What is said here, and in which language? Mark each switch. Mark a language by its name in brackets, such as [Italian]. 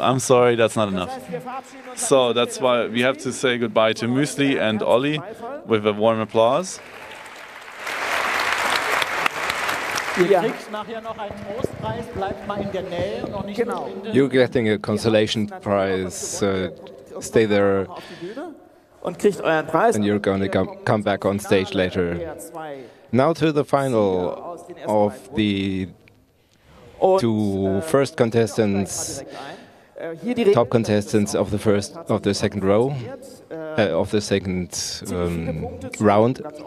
[English] I'm sorry, that's not enough. So that's why we have to say goodbye to Müsli and Olli with a warm applause. [German] Ihr kriegt nachher noch einen Trostpreis, bleibt mal in der Nähe und noch nicht genau. [English] You're getting a consolation prize, so stay there. [German] Und kriegt euren Preis. [English] And you're going to come back on stage later. Now to the final of the two first contestants, top contestants of the first of the second row, of the second round.